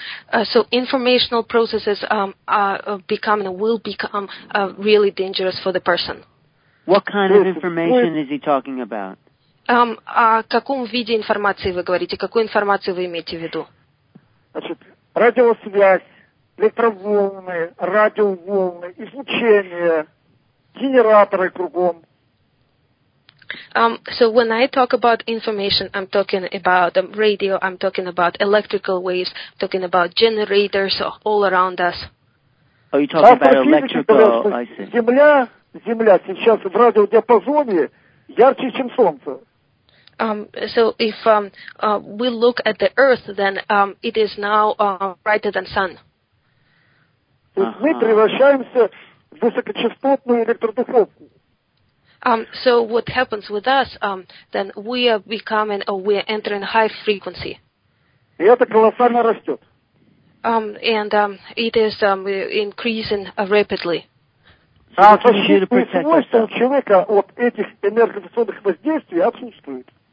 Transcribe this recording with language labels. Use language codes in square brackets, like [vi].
[en] So informational processes will become really dangerous for the person. What kind of information is he talking about? [ru] О каком виде информации вы говорите? Какую информацию вы имеете в виду? Значит, радиосвязь, электроволны, радиоволны, излучение, генераторы кругом. [en] So when I talk about information, I'm talking about radio, I'm talking about electrical waves, I'm talking about generators all around us. Are you talking about electrical? I see. [ru] Земля сейчас в радиодиапазоне ярче, чем солнце. [en] So if we look at the Earth, then it is now brighter than sun. [ru] Мы превращаемся в высокочастотную электродуховку. [en] So what happens with us, then we are becoming, or we are entering high frequency. [ru] И это колоссально растет. [en] It is increasing rapidly. [ru] Защитные свойства человека от этих энергетических воздействий отсутствуют.